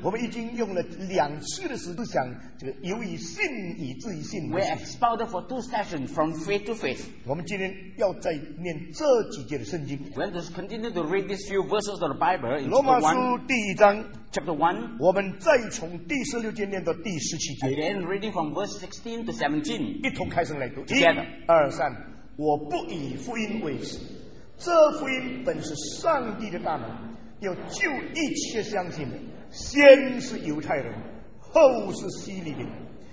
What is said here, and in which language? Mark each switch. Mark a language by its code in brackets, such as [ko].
[zh] 我们已经用了两次的时间讲这个由于信以至于信。 [en] We expounded for two sessions from faith to faith. [zh] 我们今天要再念这几节的圣经。 [en] We'll just continue to read these few verses of the Bible. [zh] 罗马书第一章。 [en] Chapter one. [zh] 我们再从第十六节念到第十七节。 [en] Again, reading from verse 16 to 17. [zh] 一同开声来读。 [en] Together. [zh] 一、二、三。我不以福音为耻。这福音本是上帝的大能，要救一切相信的，先是犹太人，后是希律的。